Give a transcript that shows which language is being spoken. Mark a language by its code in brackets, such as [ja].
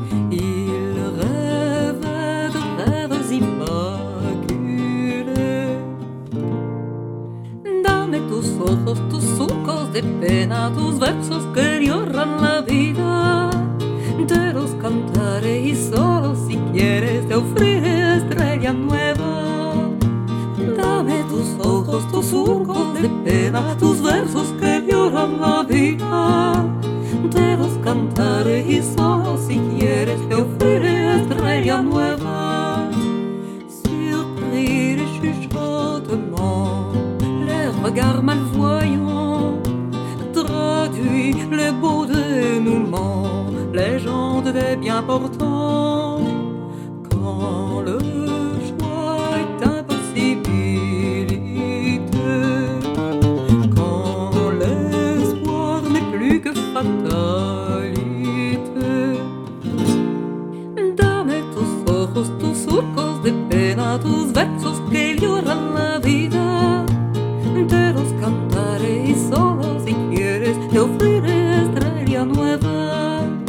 [fr] Ils rêvaient de rêves immaculés. [es] Dame tus ojos, tus surcos de pena, tus versos que lloran la vida. Te los cantaré y solo si quieres te ofreceré estrella nueva. Dame tus ojos, tus surcos de pena, tus versos que lloran la vida. Te los cantaré y solo si quieres te ofreceré estrella nueva. [fr] Surpris les chuchotements, les regards malvoyants, traduit les beaux dénouements. Légende des bien-portants, quand le choix est impossibilité, quand l'espoir n'est plus que fatalité. [es] Dame tus ojos, tus surcos de pena, tus versos que lloran la vida. Te los cantaré y solo si quieres te ofreceré estrella nueva.